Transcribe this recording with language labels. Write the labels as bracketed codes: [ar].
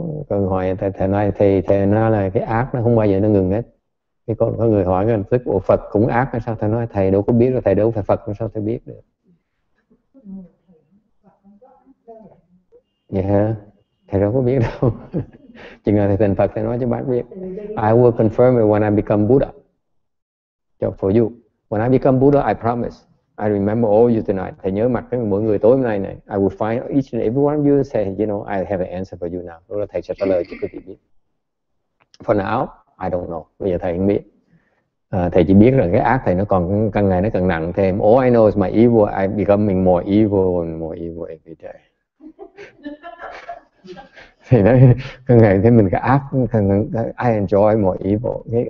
[vi] Còn hỏi thầy nói là cái ác nó không bao giờ nó ngừng hết. Cái con có người hỏi ngay tức, ủa Phật cũng ác hay sao? Thầy nói thầy đâu có biết, rồi thầy đâu phải Phật, sao thầy biết được? Dạ, yeah, thầy đâu có biết đâu. Chừng nào thầy thành Phật thầy nói cho bác biết. [en] I will confirm it when I become Buddha. Job for you. When I become Buddha, I promise. I remember all you tonight. [vi] Thầy nhớ mặt với mỗi người tối hôm nay này. [en] I will find each and every one of you and say, you know, I have an answer for you now. [vi] Lúc đó thầy sẽ trả lời cho quý vị biết. [en] For now, I don't know. [vi] Bây giờ thầy không biết. Thầy chỉ biết rằng cái ác thầy nó còn càng ngày nó càng nặng thêm. [en] All I know is my evil, I becoming more evil and more evil every day. [vi] Thầy nói, càng ngày thấy mình cái ác, [en] I enjoy more evil.